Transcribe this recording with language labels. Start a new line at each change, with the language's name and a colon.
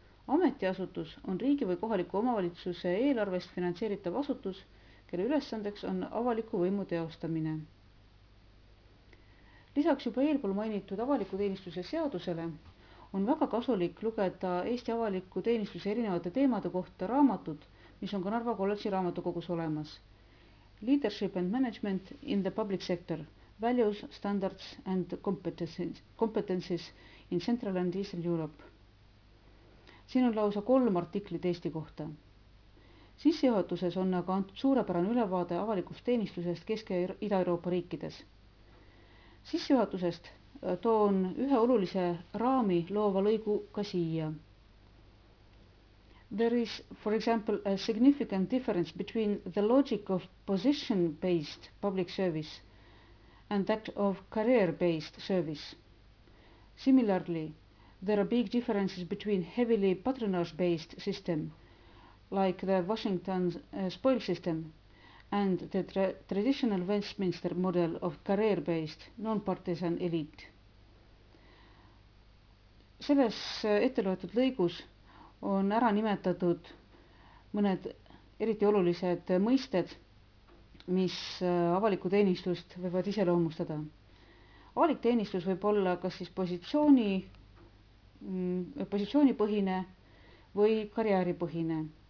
Estonian: Ametiasutus on riigi või kohaliku omavalitsuse eelarvest finantseeritav asutus, kelle ülesandeks on avaliku võimu teostamine. Lisaks juba eelpool mainitud avaliku teenistuse seadusele on väga kasulik lugeda Eesti avaliku teenistuse erinevate teemade kohta raamatut, mis on ka Narva kolledži raamatukogus olemas.
English: Leadership and Management in the Public Sector – Values, Standards and Competences in Central and Eastern Europe.
Estonian: Siin on lausa kolm artiklit Eesti kohta. Sissejuhatuses on aga antud suurepärane ülevaade avalikust teenistusest Kesk- ja Ida-Euroopa riikides. Sissejuhatusest toon ühe olulise raami loova lõigu ka siia.
English: There is, for example, a significant difference between the logic of position-based public service and that of career-based service. Similarly, there are big differences between heavily patronage-based system, like the Washington spoil system, and the traditional Westminster model of career-based non-partisan elite.
Estonian: Selles etteloetud lõigus on ära nimetatud mõned eriti olulised mõisted, mis avaliku teenistust võivad ise loomustada. Avalik teenistus võib olla kas siis positsioonipõhine või karjääripõhine.